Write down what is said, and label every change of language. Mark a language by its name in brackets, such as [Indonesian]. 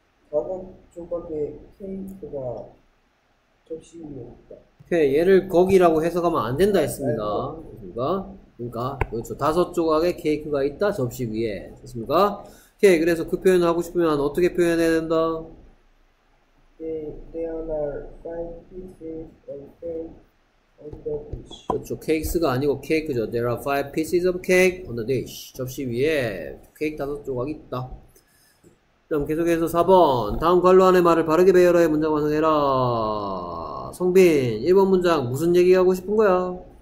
[Korean] 작은 조각의 케이크가 접시에 있다. 오케이, 얘를 거기라고 해석하면 안 된다 했습니다. 그러니까 그렇죠. 다섯 조각의 케이크가 있다 접시 위에. 됐습니까? 오케이, 그래서 그 표현을 하고 싶으면 어떻게 표현해야 된다? [English] There are five pieces of cake on the dish. [Korean] 그렇죠. 케이크가 아니고 케이크죠. [English] There are five pieces of cake on the dish. [Korean] 접시 위에 케이크 다섯 조각이 있다. 그럼 계속해서 4번 다음 관로안의 말을 바르게 배열하여 문장 완성해라. 성빈 1번 문장 무슨 얘기하고 싶은 거야?